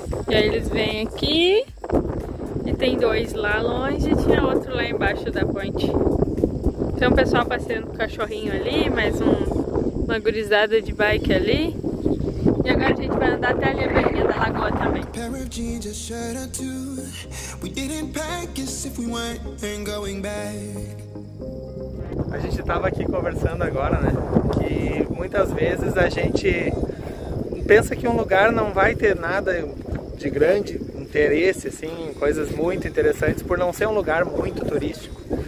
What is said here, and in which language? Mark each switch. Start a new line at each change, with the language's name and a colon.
Portuguese: E aí eles vêm aqui e tem dois lá longe e tinha outro lá embaixo da ponte. Tem um pessoal passeando com o cachorrinho ali, mais um, uma gurizada de bike ali. E agora a gente vai andar até ali a beirinha da lagoa também.
English: Pair of jeans, a shirt or two. We didn't pack us if we weren't going back.
Portuguese: A gente estava aqui conversando agora, né? Que muitas vezes a gente pensa que um lugar não vai ter nada de grande interesse, assim, coisas muito interessantes, por não ser um lugar muito turístico.